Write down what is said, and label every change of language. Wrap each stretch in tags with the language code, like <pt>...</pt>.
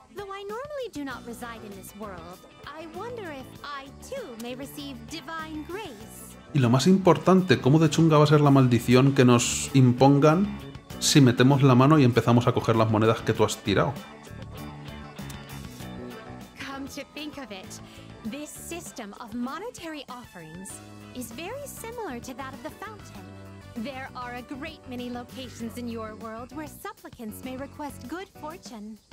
<en>Though I normally do not reside in this world, I wonder if I too may receive divine grace.</en> <es>Y lo más importante, ¿cómo de chunga va a ser la maldición que nos impongan si metemos la mano y empezamos a coger las monedas que tú has tirado?</es> <en>Come to think of it, this system of monetary offerings is very similar to that of the fountain. There are a great many locations in your world where supplicants may request good fortune.</en>